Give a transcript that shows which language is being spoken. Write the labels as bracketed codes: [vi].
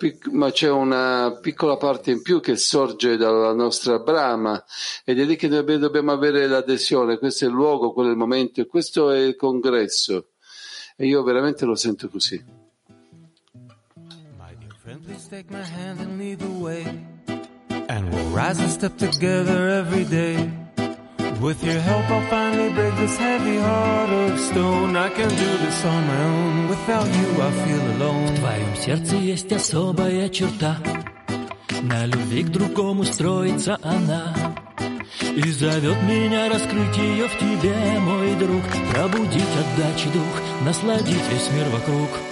[it] Ma c'è una piccola parte in più che sorge dalla nostra brama ed è lì che dobbiamo avere l'adesione, questo è il luogo, quello è il momento e questo è il congresso e io veramente lo sento così. [en] My dear friend, please take my hand and lead the way and we'll rise and step together every day. With your help I'll finally break this heavy heart of stone. I can do this on my own. Without you I feel alone. [ru] В твоем сердце есть особая черта. На любви к другому строится она. И зовет меня раскрыть ее в тебе, мой друг. Пробудить отдачи дух. Насладить весь мир вокруг.